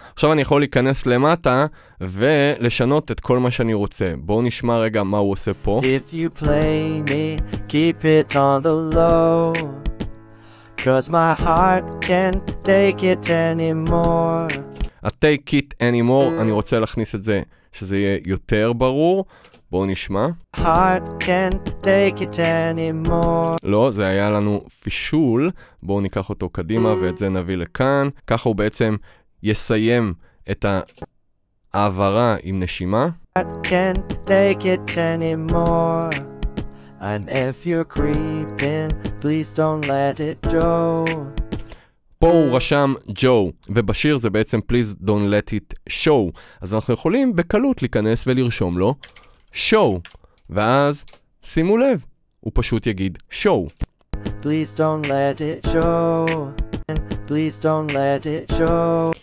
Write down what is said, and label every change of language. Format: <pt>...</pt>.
<he>עכשיו אני יכול להיכנס למטה ולשנות את כל מה שאני רוצה. בואו נשמע רגע מה הוא עושה פה.</he> <en>If you play me, keep it on the low, cause my heart can't take it anymore. Take it anymore,</en> <he>אני רוצה להכניס את זה שזה יהיה יותר ברור. בואו נשמע.</he> <en>Heart can't take it anymore.</en> <he>לא, זה היה לנו פישול. בואו ניקח אותו קדימה ואת זה נביא לכאן. ככה הוא בעצם יסיים את העברה עם נשימה.</he> <en>Heart can't take it anymore, and if you're creeping, please don't let it go.</en> <he>פה הוא רשם ג'ו, ובשיר זה בעצם</he> <en>please don't let it show.</en> <he>אז אנחנו יכולים בקלות להיכנס ולרשום לו show, ואז שימו לב, הוא פשוט יגיד show.</he> <en>Please don't let it show. Please don't let it show.</en>